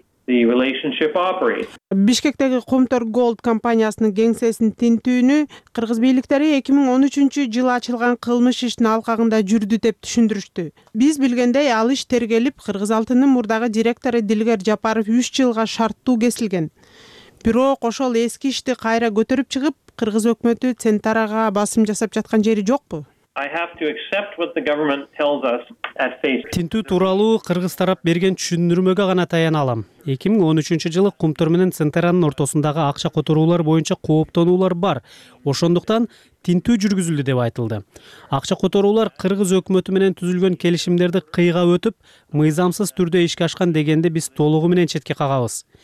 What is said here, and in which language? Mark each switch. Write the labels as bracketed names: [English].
[Kyrgyz] Бишкектеги Кумтор Голд компаниясынын кеңсесинин тинтүүнү кыргыз бийликтери 2013-жылы ачылган кылмыш иштин алкагында жүрдү деп түшүндүрүштү. Биз билгендей ал иш тергелип, кыргыз алтынын мурдагы директору Дилгер Жапаров 3 жылга шарттуу кесилген. Бирок ошол эски ишти кайра көтөрүп чыгып, кыргыз өкмөтү Центарага басым жасап жаткан жери жокпу? [English] I have to accept what the government tells us at face. [Kyrgyz] Тинтүү тууралуу кыргыз тарап берген түшүндүрмөгө гана таяна алам. 2013-жылы Кумтор менен Центеранын ортосундагы акча которуулар боюнча кооптонуулар бар. Ошондуктан тинтүү жүргүзүлдү деп айтылды. Акча которуулар кыргыз өкмөтү менен түзүлгөн келишимдерди кыйга өтүп, мыйзамсыз түрдө ишке ашкан дегенди биз толугу менен четке кагабыз.